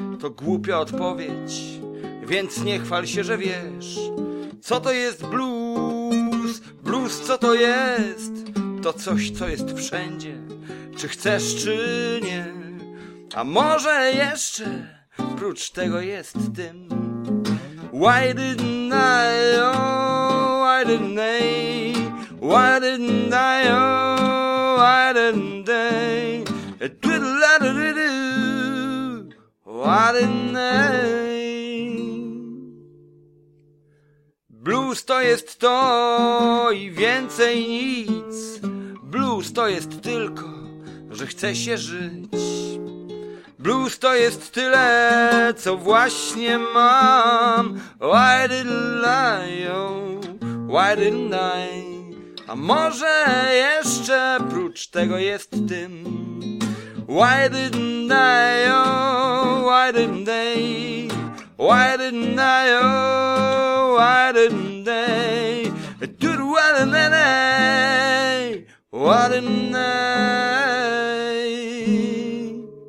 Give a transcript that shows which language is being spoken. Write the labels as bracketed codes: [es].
[pl] To głupia odpowiedź, więc nie chwal się, że wiesz. Co to jest blues? Blues, co to jest? To coś, co jest wszędzie, czy chcesz, czy nie. A może jeszcze prócz tego jest tym. [en] Why didn't I, oh, why didn't they? Why didn't I, oh, why didn't they? Twiddle-la-do-do-do, why didn't they? [pl] Blues to jest to i więcej nic. Blues to jest tylko, że chce się żyć. Blues to jest tyle, co właśnie mam. [en] Why didn't I, oh, why didn't I? [pl] A może jeszcze prócz tego jest tym. [en] Why didn't I, oh, why didn't they? Why didn't I, oh, why didn't they? Doodle, why didn't they? Why didn't I?